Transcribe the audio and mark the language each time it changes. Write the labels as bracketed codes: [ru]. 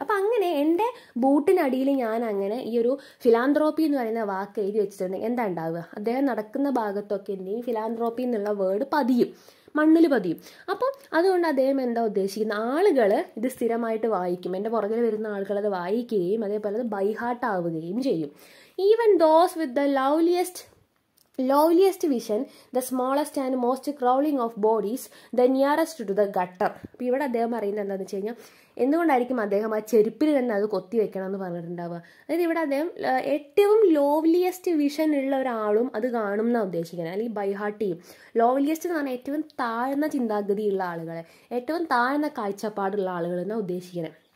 [ml] അപ്പം അങ്ങനെ എൻ്റെ ബൂട്ടിനടിയിൽ ഞാൻ അങ്ങനെ ഈ ഒരു ഫിലാൻഡ്രോപ്പി എന്ന് പറയുന്ന വാക്ക് എഴുതി വെച്ചിട്ടുണ്ടെങ്കിൽ എന്താ ഉണ്ടാവുക, അദ്ദേഹം നടക്കുന്ന ഭാഗത്തൊക്കെ എന്തെങ്കിലും ഫിലാൻഡ്രോപ്പി എന്നുള്ള വേർഡ് പതിയും, മണ്ണിൽ പതിയും. അപ്പം അതുകൊണ്ട് അദ്ദേഹം എന്താ ഉദ്ദേശിക്കുന്ന, ആളുകൾ ഇത് സ്ഥിരമായിട്ട് വായിക്കും, എൻ്റെ പുറകിൽ വരുന്ന ആളുകളത് വായിക്കുകയും അതേപോലെ അത് ബൈ ഹാർട്ട് ആവുകയും ചെയ്യും. [en] Even those with the loveliest loveliest vision, the smallest and most crawling of bodies, the nearest to the gutter. [ml] അപ്പം ഇവിടെ അദ്ദേഹം പറയുന്നത് എന്താണെന്ന് വെച്ച് കഴിഞ്ഞാൽ, എന്തുകൊണ്ടായിരിക്കും അദ്ദേഹം ആ ചെരുപ്പിൽ തന്നെ അത് കൊത്തി വെക്കണം എന്ന് പറഞ്ഞിട്ടുണ്ടാവുക. അതായത് ഇവിടെ അദ്ദേഹം ഏറ്റവും ലോവ്ലിയസ്റ്റ് വിഷൻ ഉള്ള ഒരാളും അത് കാണും എന്നാണ് ഉദ്ദേശിക്കുന്നത്. അല്ലെങ്കിൽ ബൈ ഹാർട്ട് ചെയ്യും. ലോവ്ലിയസ്റ്റ് എന്ന് പറഞ്ഞാൽ ഏറ്റവും താഴ്ന്ന ചിന്താഗതിയുള്ള ആളുകളെ, ഏറ്റവും താഴ്ന്ന കാഴ്ചപ്പാടുള്ള ആളുകൾ എന്നാണ് ഉദ്ദേശിക്കുന്നത്.